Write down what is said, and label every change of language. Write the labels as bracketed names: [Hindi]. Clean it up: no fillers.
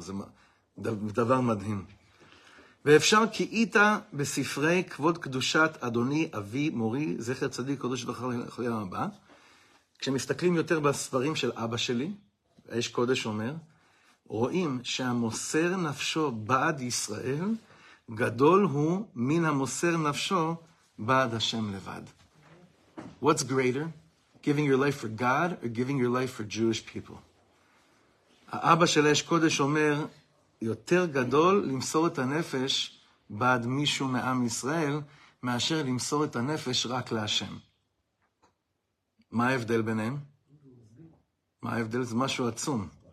[Hebrew] זה דבר מדהים. ואפשר כי איתה בספרי כבוד קדושת אדוני אבי מורי, זכר צדיק קדוש וחל חיים הבא, כשמסתכלים יותר בספרים של אבא שלי, האש קודש אומר, רואים שהמוסר נפשו בעד ישראל, גדול הוא מן המוסר נפשו בעד השם לבד. [English] What's greater? Giving your life for God or giving your life for Jewish people? [Hebrew] האבא של האש קודש אומר, יותר גדול למסור את הנפש בעד מישהו מעם ישראל, מאשר למסור את הנפש רק להשם. מה ההבדל ביניהם? מה ההבדל? זה משהו עצום.